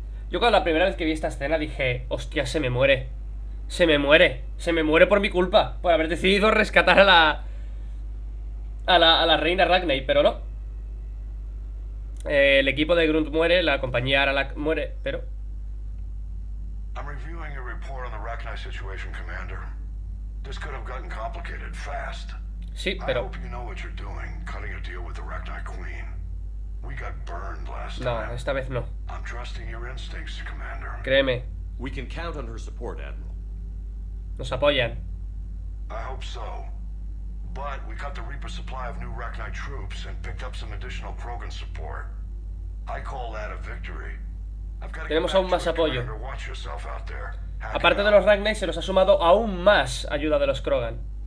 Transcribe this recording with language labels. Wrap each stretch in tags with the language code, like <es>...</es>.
<es>Yo cuando la primera vez que vi esta escena dije, hostia, se me muere. Se me muere. Se me muere por mi culpa. Por haber decidido rescatar a la... A la reina Ragnar, pero no. El equipo de Grunt muere, la compañía Aralak muere, pero...</es> <en>I'm reviewing your report on the Rakhnai situation, Commander. This could have gotten complicated fast.</en> <es>Sí, pero...</es> <en>I hope you know what you're doing, cutting a deal with the Rakhnai Queen. We got burned last</en> <es>no,</es> <en>time.</en> <es>No, esta vez no.</es> <en>I'm trusting your instincts, Commander.</en> <es>Créeme.</es> <en>We can count on her support, Admiral.</en> <es>Nos apoyan.</es> <en>I hope so. But we cut the Reaper supply of new Rakhnai troops and picked up some additional Krogan support. I call that a victory.</en> <es>Tenemos aún más apoyo. Aparte de los Ragnar, se nos ha sumado aún más ayuda de los Krogan.</es>